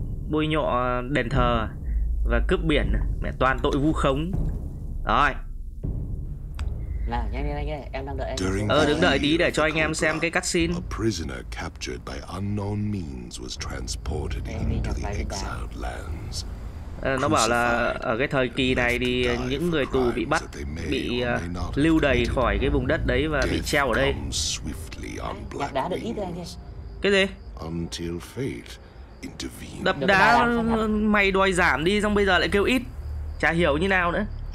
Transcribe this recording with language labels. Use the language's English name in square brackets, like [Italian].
[Vietnamese] Bôi nhọ đền thờ và cướp biển, mẹ toàn tội vu khống. Rồi. Nào, nhanh lên anh ơi, em đang đợi anh. Đứng đợi tí để cho anh em xem cái cutscene. [English] A prisoner captured by unknown means was transported into the exiled lands. [Vietnamese] Nó bảo là ở cái thời kỳ này thì những người tù bị bắt bị lưu đày khỏi cái vùng đất đấy và bị treo ở đây. Gạt đá được ít thôi anh ơi. Cái gì? [English] Until fate intervened. [Vietnamese] Đập đá mày đòi giảm đi, xong bây giờ lại kêu ít. Chả hiểu như nào nữa.